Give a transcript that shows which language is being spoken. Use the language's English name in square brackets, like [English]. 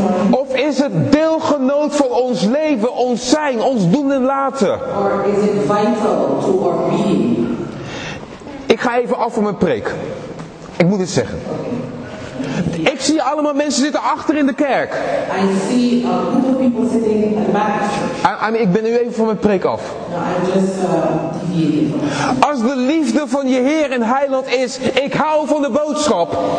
[Dutch] Of is het deelgenoot van ons leven, ons zijn, ons doen en laten? [English] Or is it vital to our being? [Dutch] Ik ga even af van mijn preek. Ik moet het zeggen. Ik zie allemaal mensen zitten achter in de kerk. [English] I see a group of people sitting in the back of church. [Dutch] Ik ben nu even van mijn preek af. [English] No, [Dutch] als de liefde van je Heer en Heiland is, ik hou van de boodschap.